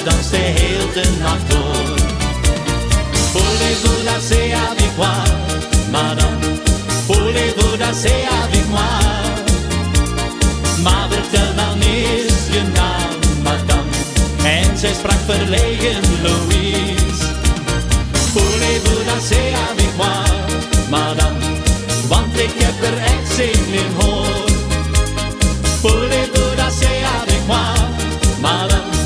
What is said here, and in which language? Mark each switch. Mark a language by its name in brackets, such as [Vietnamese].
[Dutch] De heel de nacht door. [French] Voulez-vous danser avec moi, madame? Voulez-vous danser avec moi? [Dutch] Maar vertel dan eerst je naam, madame. En zij sprak verlegen, Louise. [French] Voulez-vous danser avec moi, madame? [Dutch] Want ik heb er echt zin in, hoor. [French] Voulez-vous danser avec moi, madame?